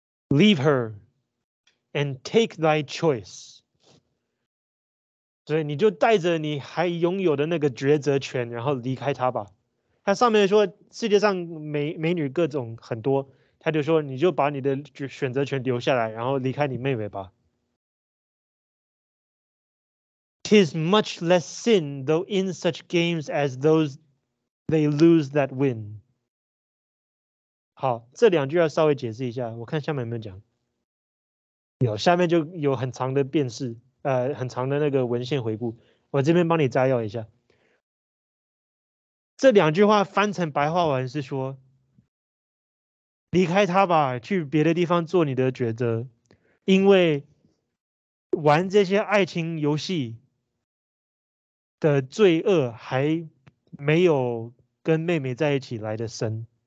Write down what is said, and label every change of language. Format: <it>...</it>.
<en>Leave her and take thy choice.</en> <zh>所以你就带着你还拥有的那个抉择权然后离开她吧。她上面说世界上 美女各种很多，她就说你就把你的选择权留下来然后离开你妹妹吧。</zh> <en>'Tis much less sin though in such games as those they lose that win.</en> <zh>好，这两句要稍微解释一下，我看下面有没有讲。有，下面就有很长的辨识，很长的那个文献回顾，我这边帮你摘要一下。这两句话翻成白话文是说，离开他吧，去别的地方做你的抉择，因为玩这些爱情游戏的罪恶还没有跟妹妹在一起来的深。</zh>